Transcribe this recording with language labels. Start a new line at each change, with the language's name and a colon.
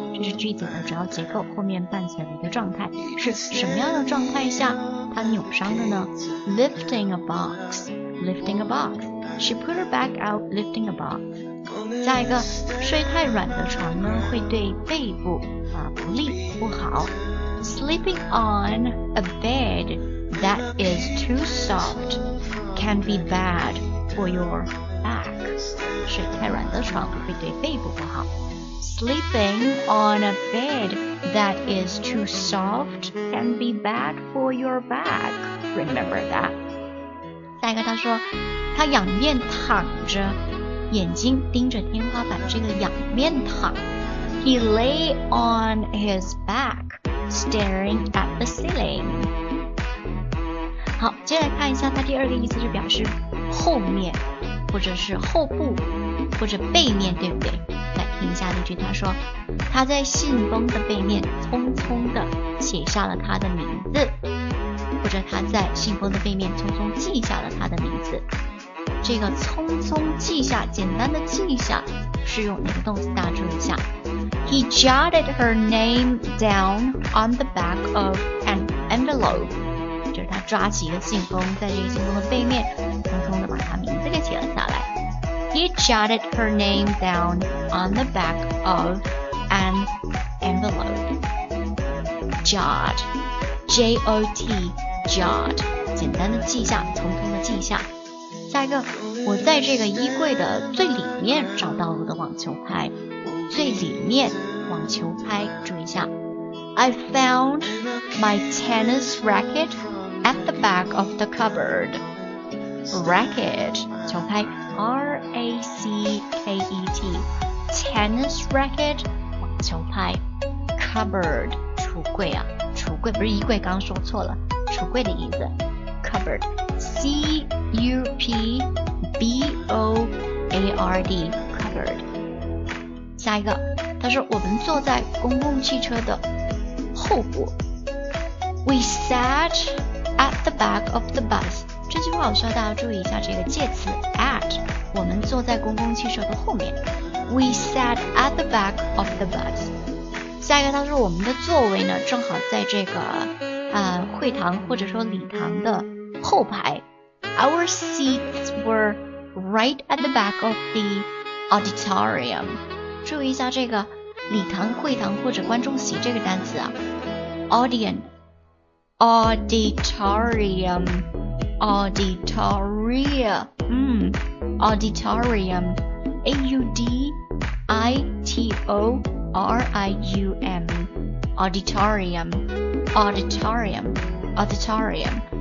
Chinese: 这是句子的主要结构，后面伴随的一个状态，是什么样的状态下她扭伤的呢？
English: Lifting a box. Lifting a box. She put her back out, lifting a box.
Chinese: 下一个，睡太软的床呢会对背部啊不利不好。
English: Sleeping on a bed that is too soft can be bad for your back.
Chinese: 睡太软的床会对背部不好。
English: Sleeping on a bed that is too soft can be bad for your back. Remember that.
Chinese: 下一个，他说他仰面躺着。眼睛盯着天花板，这个仰面躺。
English: He lay on his back, staring at the ceiling.
Chinese: 好，接来看一下它第二个意思，就表示后面，或者是后部，或者背面，对不对？来听一下例句，他说，他在信封的背面匆匆地写下了他的名字，或者他在信封的背面匆匆记下了他的名字。这个匆匆记下，简单的记下，是用哪个动词？大家注意一下。
English: He jotted her name down on the back of an envelope.
Chinese: 就是他抓起一个信封，在这个信封的背面，匆匆的把她名字给写了下来。
English: He jotted her name down on the back of an envelope. Jot, J-O-T, jot.
Chinese: 简单的记下，匆匆的记下。下一个，我在这个衣柜的最里面找到了我的网球拍。最里面，网球拍，注意一下。
English: I found my tennis racket at the back of the cupboard. Racket,
Chinese: 球拍
English: ,R-A-C-K-E-T. Tennis racket,
Chinese: 网球拍。
English: Cupboard,
Chinese: 橱柜啊。橱柜不是衣柜，刚刚说错了。橱柜的意思。
English: Cupboard, C-U-P-B-O-A-R-D Covered
Chinese: 下一个，他说我们坐在公共汽车的后部。
English: We sat at the back of the bus.
Chinese: 这句话我需要大家注意一下这个介词 at， 我们坐在公共汽车的后面。
English: We sat at the back of the bus.
Chinese: 下一个，他说我们的座位呢正好在这个会堂或者说礼堂的后排。
English: Our seats were right at the back of the auditorium.
Chinese: 注意一下这个礼堂、会堂或者观众席这个单词啊。
English: Audience, auditorium, auditorium, auditorium, A-U-D-I-T-O-R-I-U-M, auditorium, auditorium, auditorium.